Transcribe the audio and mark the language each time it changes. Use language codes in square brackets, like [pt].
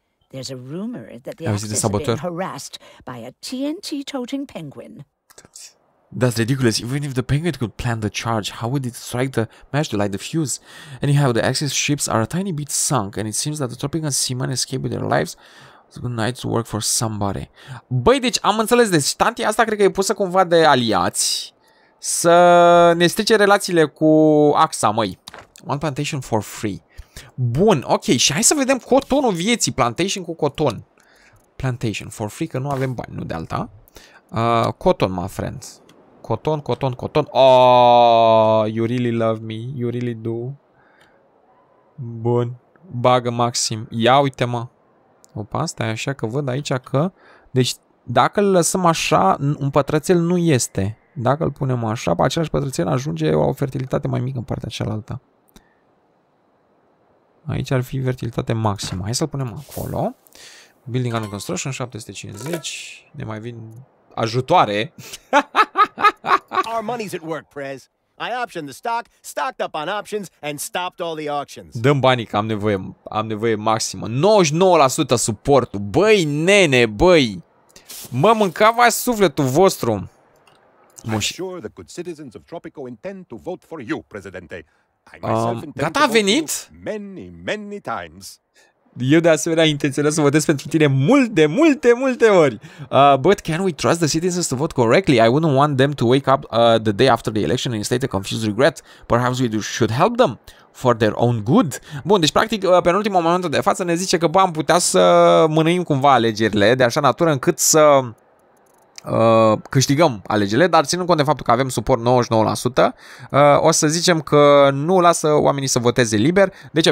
[en] There's a rumor that the actors are being harassed by a TNT-toting penguin. That's ridiculous. Even if the penguin could plant the charge, how would it strike the match to light the fuse? Anyhow, the Axis ships are a tiny bit sunk, and it seems that the Tropican seamen escaped with their lives. It's a good night to work for somebody. [ro] Băi, deci am înțeles. Deci, tanti asta cred că e pusă cumva de aliați să ne strice relațiile cu AXA, măi. One plantation for free. Bun, ok, și hai să vedem cotonul vieții, plantation cu coton. Plantation, for free, că nu avem bani, nu de alta. [en] Coton, my friend. Coton, coton, coton. Oh, you really love me, you really do. [ro] Bun, bagă maxim. Ia uite, mă. Opa, stai așa că văd aici că... Deci, dacă îl lăsăm așa, un pătrățel nu este. Dacă îl punem așa, pe același pătrățel ajunge o fertilitate mai mică în partea cealaltă. Aici ar fi fertilitate maximă. Hai să-l punem acolo. Building under construction, 750. Ne mai vin ajutoare. Our money's at work, Prez. [en] I optioned the stock, stocked up on options and stopped all the auctions. [ro] Dăm banii, că am nevoie, am nevoie maximă. 99% suportul. Băi, nene, băi. Mă mâncava sufletul vostru. [en] I'm sure the good citizens of Tropico intend to vote for you, Presidente. [ro] Gata, a venit? [en] Many, many times. [ro] Eu de asemenea intenționez să votez pentru tine multe, multe, multe ori. [en] But can we trust the citizens to vote correctly? I wouldn't want them to wake up the day after the election in a state of confused regret. Perhaps we should help them for their own good. [ro] Bun, deci practic pe ultimul moment de față ne zice că bă, am putea să mânăim cumva alegerile de așa natură încât să câștigăm alegerile, dar ținând cont de faptul că avem suport 99%, o să zicem că nu lasă oamenii să voteze liber. De ce?